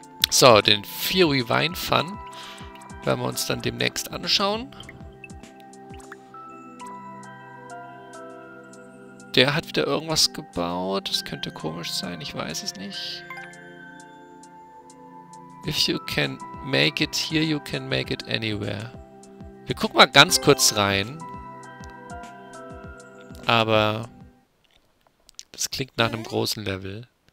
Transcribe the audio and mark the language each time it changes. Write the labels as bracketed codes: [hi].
[de] So, den Fury Wine Fun werden wir uns dann demnächst anschauen. Der hat wieder irgendwas gebaut. Das könnte komisch sein, ich weiß es nicht. [en] If you can make it here, you can make it anywhere. [de] Wir gucken mal ganz kurz rein. Aber das klingt nach einem großen Level.